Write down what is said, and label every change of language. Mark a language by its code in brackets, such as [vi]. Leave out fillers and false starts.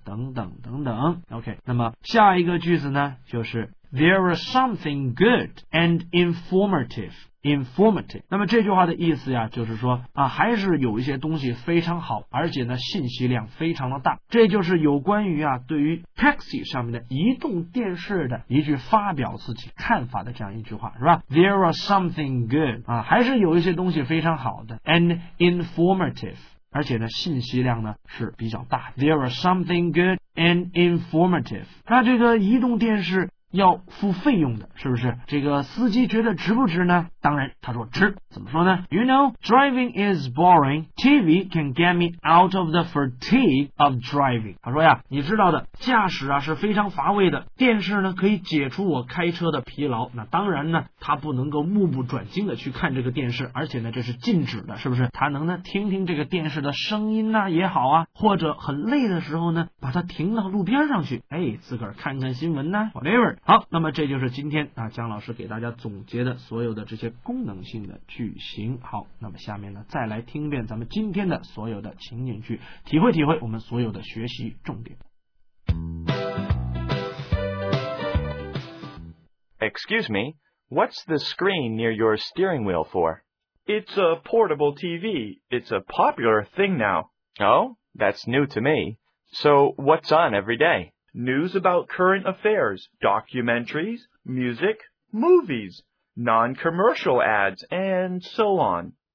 [zh] 等等等等。 [en] OK, [zh] 那么下一个句子呢，就是 [en] There are something good and informative. [zh] informative, 那么这句话的意思呀，就是说啊，还是有一些东西非常好，而且呢信息量非常的大，这就是有关于啊对于 taxi 上面的移动电视的一句发表自己看法的这样一句话，是吧？ [en] There are something good, [zh] 啊，还是有一些东西非常好的 [en] and informative, [zh] 而且呢信息量呢是比较大 [en] There are something good and informative, [zh] 那这个移动电视要付费用的，是不是？这个司机觉得值不值呢？当然，他说值。怎么说呢 [en] ？You know, driving is boring. TV can get me out of the fatigue of driving. [zh] 他说呀，你知道的，驾驶啊是非常乏味的，电视呢可以解除我开车的疲劳。那当然呢，他不能够目不转睛的去看这个电视，而且呢这是禁止的，是不是？他能呢听听这个电视的声音呢、啊、也好啊，或者很累的时候呢，把它停到路边上去，哎，自个儿看看新闻呢、啊、，whatever。好，那么这就是今天啊姜老师给大家总结的所有的这些功能性的句型。好，那么下面呢再来听一遍咱们今天的所有的情景句，体会体会我们所有的学习重点。 [en] Excuse me, what's the screen near your steering wheel for? It's a portable TV. It's a popular thing now. Oh, that's new to me. So what's on every day? News about current affairs, documentaries, music, movies, non-commercial ads, and so on.